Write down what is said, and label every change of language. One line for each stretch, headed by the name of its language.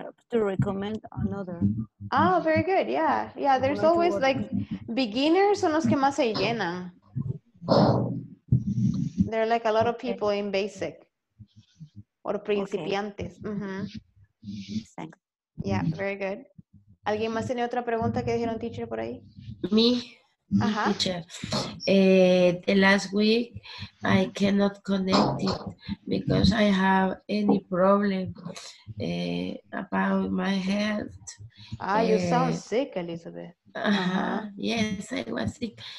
English: To recommend another. Oh, very good. Yeah. Yeah, there's always like beginners
Spanish: son los que más se llenan.
English: There are like a lot of people in basic or principiantes. Okay. Mm-hmm. Thanks. Yeah, very good.
Spanish: ¿Alguien más tiene otra pregunta que dijeron teacher por ahí?
English: Me. Uh-huh. The last week I cannot connect it because I have any problem about my health. Ah, you sound sick, Elizabeth. Uh-huh. Yes, I was sick.